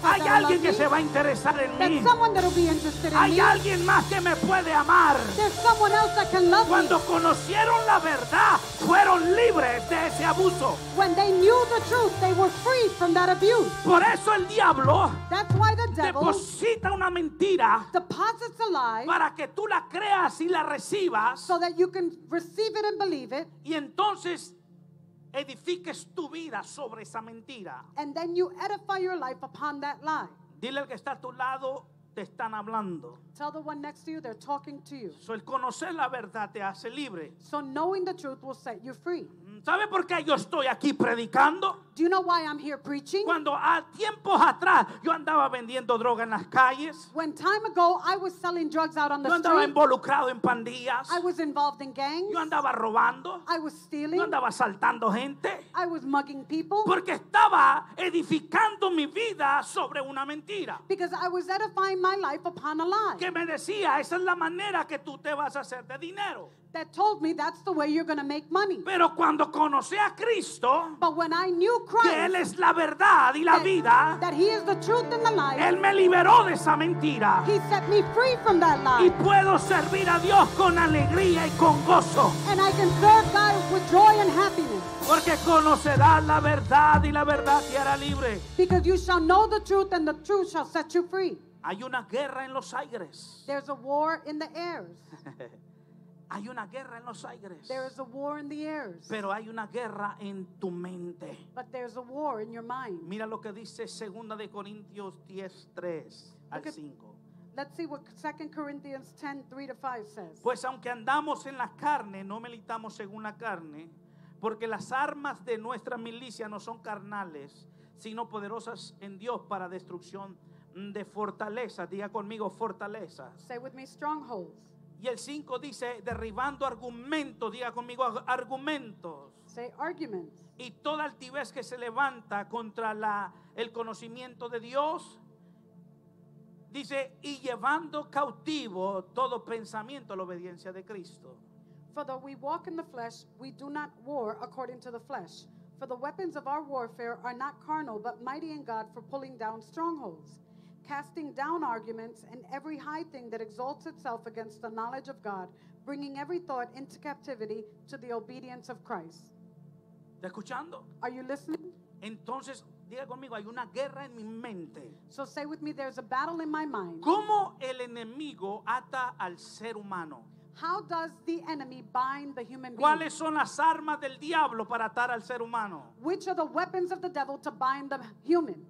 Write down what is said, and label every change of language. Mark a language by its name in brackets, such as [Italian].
[Spanish] Hay alguien que se va a interesar en mí. [English] There's someone that'll be interested in me. [Spanish] Hay alguien más que me puede amar. [English] There's someone else that can love me. [Spanish] Cuando conocieron la verdad, fueron libres de ese abuso. [English] When they knew the truth, they were free from that abuse. [Spanish] Por eso el diablo, [English] that's why the devil, [Spanish] deposita una mentira, [English] deposits a lie, [Spanish] para que tú la creas y la recibas, [English] so that you can receive it and believe it, [Spanish] y entonces edifiques tu vida sobre esa mentira. [English] And then you edify your life upon that lie. [Spanish] Dile al que está a tu lado, te están hablando. [English] Tell the one next to you, they're talking to you. [Spanish] So el conocer la verdad te hace libre. [English] So knowing the truth will set you free. [Spanish] ¿Sabe por qué yo estoy aquí predicando? [English] Do you know why I'm here preaching? [Spanish] Cuando a tiempos atrás yo andaba vendiendo droga en las calles. [English] When time ago I was selling drugs out on the street. [Spanish] Yo andaba involucrado en pandillas. [English] I was involved in gangs. [Spanish] Yo andaba robando. [English] I was stealing. [Spanish] Yo andaba asaltando gente. [English] I was mugging people. [Spanish] Porque estaba edificando mi vida sobre una mentira. [English] Because I was edifying my life upon a lie. [Spanish] Que me decía, esa es la manera que tú te vas a hacer de dinero. [English] That told me that's the way you're going to make money. [Spanish] Pero cuando conocí a Cristo, [English] but when I knew Christ, [Spanish] que Él es la verdad y la vida, [English] that He is the truth and the life, [Spanish] Él me liberó de esa mentira. [English] He set me free from that lie. [Spanish] Y puedo servir a Dios con alegría y con gozo. [English] And I can serve God with joy and happiness. [Spanish] Porque conocerás la verdad y la verdad te hará libre. [English] Because you shall know the truth and the truth shall set you free. [Spanish] Hay una guerra en los aires. [English] There's a war in the airs. [Spanish] Hay una guerra en los aires. [English] There is a war in the airs. [Spanish] Pero hay una guerra en tu mente. [English] But there's a war in your mind. [Spanish] Mira lo que dice 2 de Corintios 10:3 al 5. [English] Let's see what 2 Corinthians 10:3-5 says. [Spanish] Pues aunque andamos en la carne, no militamos según la carne, porque las armas de nuestra milicia no son carnales, sino poderosas en Dios para destrucción de fortalezas. Diga conmigo, fortalezas. [English] Say with me, strongholds. [Spanish] Y el 5 dice, derribando argumentos, diga conmigo, argumentos. [English] Say arguments. [Spanish] Y toda altivez que se levanta contra el conocimiento de Dios, dice, y llevando cautivo todo pensamiento a la obediencia de Cristo. [English] For though we walk in the flesh, we do not war according to the flesh. For the weapons of our warfare are not carnal, but mighty in God for pulling down strongholds. Casting down arguments and every high thing that exalts itself against the knowledge of God, bringing every thought into captivity to the obedience of Christ. [Spanish] ¿Está escuchando? [English] Are you listening? [Spanish] Entonces, diga conmigo, hay una guerra en mi mente. [English] So say with me, there's a battle in my mind. [Spanish] ¿Cómo el enemigo ata al ser humano? [English] How does the enemy bind the human being? [Spanish] ¿Cuáles son las armas del diablo para atar al ser humano? [English] Which are the weapons of the devil to bind the human?